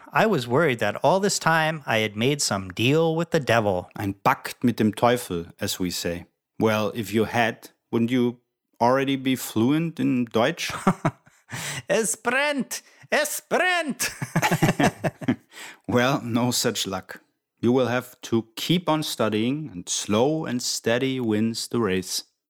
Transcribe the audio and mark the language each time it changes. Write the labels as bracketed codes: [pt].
[en] I was worried that all this time I had made some deal with the devil. [de] Ein Pakt mit dem Teufel, [en] as we say. Well, if you had, wouldn't you already be fluent in Deutsch? [de] Es brennt! Es brennt! [en] Well, no such luck. You will have to keep on studying and slow and steady wins the race.